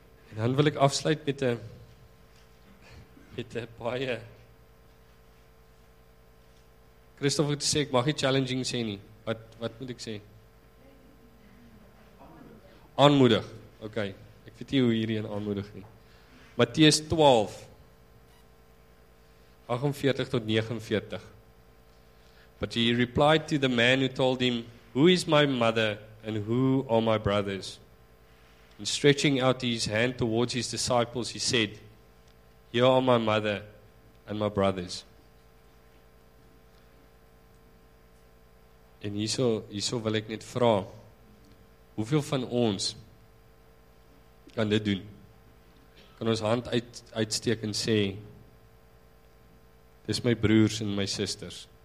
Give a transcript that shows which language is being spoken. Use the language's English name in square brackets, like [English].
[Afrikaans] En dan wil ek afsluit met 'n baie Christoffel het sê, ek mag nie challenging sê nie. Wat moet ek sê? Aanmoedig. Ok, ek weet nie hoe hierdie een aanmoedig nie. Matteus 12 48 tot 49. [English] But he replied to the man who told him, "Who is my mother and who are my brothers?" And stretching out his hand towards his disciples, he said, "Here are my mother and my brothers." [Afrikaans] En hierso wil ek net vra, hoeveel van ons kan dit doen? Kan ons hand uitsteek en sê, dis my broers en my susters?